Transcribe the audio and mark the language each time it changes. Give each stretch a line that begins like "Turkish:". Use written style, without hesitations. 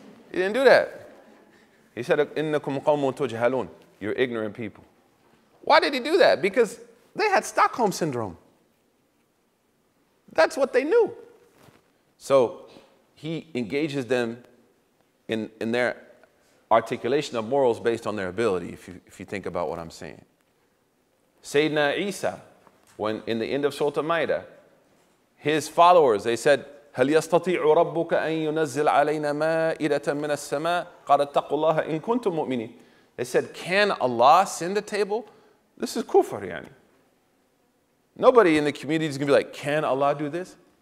English: He didn't do that. He said, "Innakum qawmun tujhalun." You're ignorant people. Why did he do that? Because they had Stockholm syndrome. That's what they knew. So he engages them in their articulation of morals based on their ability, if you think about what I'm saying. Sayyidina Isa, when in the end of Surah Al-Ma'idah, his followers, they said,
Arabic: "هل يستطيع ربك أن ينزل علينا مائدة من السماء؟ قال اتقوا الله إن كنتم مؤمنين."
English: They said, "Can Allah send a table?" This is kufr, yani. Nobody in the community is going to be like, "Can Allah do this?"